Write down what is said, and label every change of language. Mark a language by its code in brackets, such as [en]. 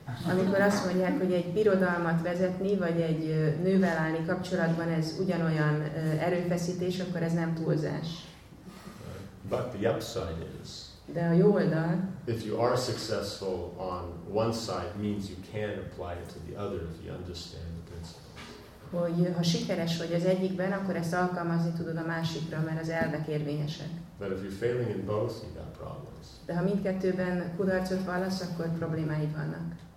[hu] Amikor azt mondják, hogy egy birodalmat vezetni, vagy egy nővel állni kapcsolatban, ez ugyanolyan erőfeszítés, akkor ez nem túlzás. [en] But the upside is, [hu] de a jó oldal, [en] if you are successful on one side, means you can apply it to the other if you understand the principle. [hu] Hogy ha sikeres vagy az egyikben, akkor ezt alkalmazni tudod a másikra, mert az elvek érvényesek. [en] But if you're failing in both, you got problems. [hu] De ha mindkettőben kudarcot vallasz, akkor problémáid vannak.